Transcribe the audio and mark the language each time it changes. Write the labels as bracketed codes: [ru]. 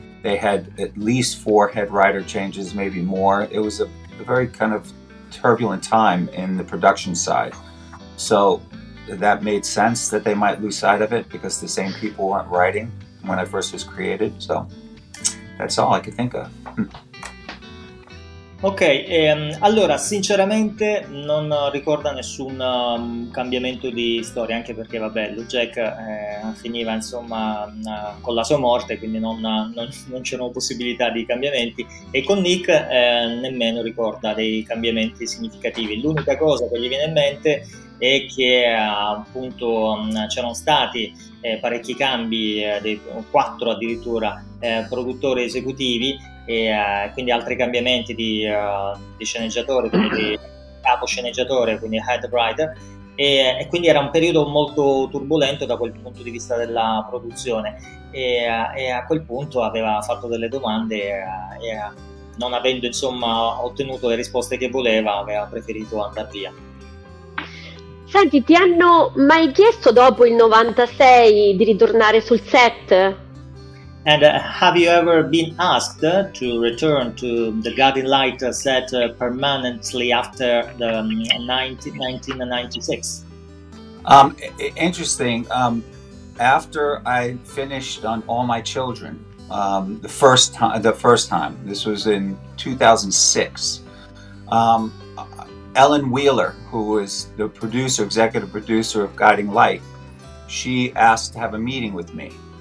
[en] They had at least 4 head writer changes, maybe more. It was a very kind of turbulent time in the production side. So that made sense that they might lose sight of it because the same people weren't writing when I first was created. So that's all I could think of. [it] Ok, allora sinceramente non ricorda nessun cambiamento di storia, anche perché vabbè, Lou Jack finiva insomma con la sua morte, quindi non c'erano possibilità di cambiamenti, e con Nick nemmeno ricorda dei cambiamenti significativi. L'unica cosa che gli viene in mente è che appunto c'erano stati parecchi cambi, 4 addirittura produttori esecutivi, e quindi altri cambiamenti di sceneggiatore, quindi di capo sceneggiatore, quindi head writer, e quindi era un periodo molto turbolento da quel punto di vista della produzione, e a quel punto aveva fatto delle domande e non avendo insomma ottenuto le risposte che voleva, aveva preferito andare via. Senti, ti hanno mai chiesto dopo il 96 di ritornare sul set? [en] And have you ever been asked to return to the Guiding Light set permanently after the 1996? Interesting. After I finished on All My Children, the first time, this was in 2006, Ellen Wheeler, who is the producer, executive producer of Guiding Light, she asked to have a meeting with me.